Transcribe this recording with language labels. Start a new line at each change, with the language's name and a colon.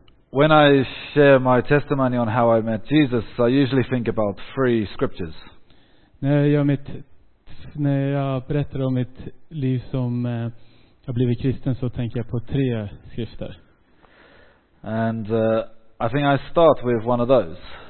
English: When I share my testimony on how I met Jesus, I usually think about three scriptures.
Swedish: När jag berättar om mitt liv som jag blivit kristen, så tänker jag på tre skrifter.
English: And I think I start with one of those.